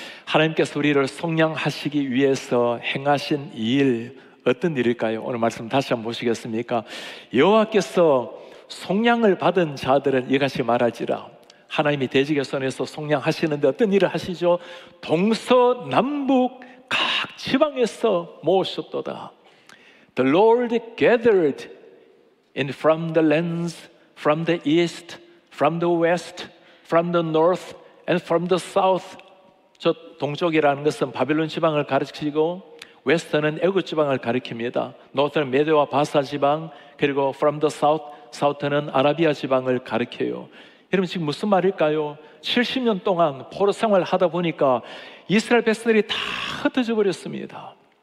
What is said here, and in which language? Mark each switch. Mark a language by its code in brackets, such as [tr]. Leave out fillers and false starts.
[ko] 하나님께서 우리를 속량하시기 위해서 행하신 일, 어떤 일일까요? 오늘 말씀 다시 한번 보시겠습니까? 여호와께서 속량을 받은 자들은 이같이 말할지라. 하나님이 대지개 손에서 속량하시는데 어떤 일을 하시죠? 동서남북 각 지방에서 모으셨도다. [en] The Lord gathered in from the lands, from the east, from the west, from the north, and from the south. [ko] 저 동쪽이라는 것은 바벨론 지방을 가르치고 웨스턴은 애굽 지방을 가리킵니다. 노스는 메대와 바사 지방, 그리고 from the south, 사우트는 아라비아 지방을 가리켜요. 여러분 지금 무슨 말일까요? 70년 동안 포로 생활을 하다 보니까 이스라엘 백성들이 다 흩어져 버렸습니다.